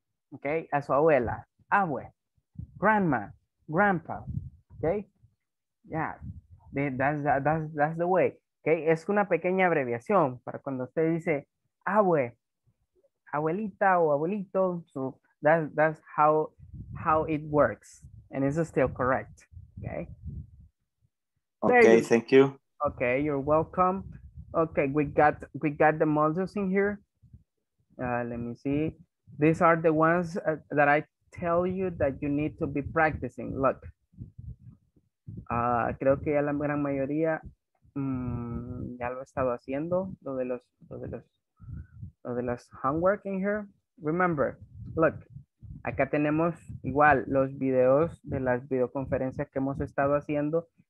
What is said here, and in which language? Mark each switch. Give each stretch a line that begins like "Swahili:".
Spanish: Ok, a su abuela, abue, grandma, grandpa. Ok.
English: Yeah, that's the way.
Spanish: Okay, es una pequeña abreviación para cuando usted dice abue, abuelita o abuelito.
English: So that's how it works, and it's still correct. Okay. Okay. You thank you. Okay, you're welcome. Okay, we got the modules in here. Let me see. These are the ones that I tell you that you need to be practicing. Look.
Spanish: Creo que ya la gran mayoría ya lo he estado haciendo, lo de los
English: homework in here. Remember, look,
Spanish: acá tenemos igual los videos de las videoconferencias que hemos estado haciendo.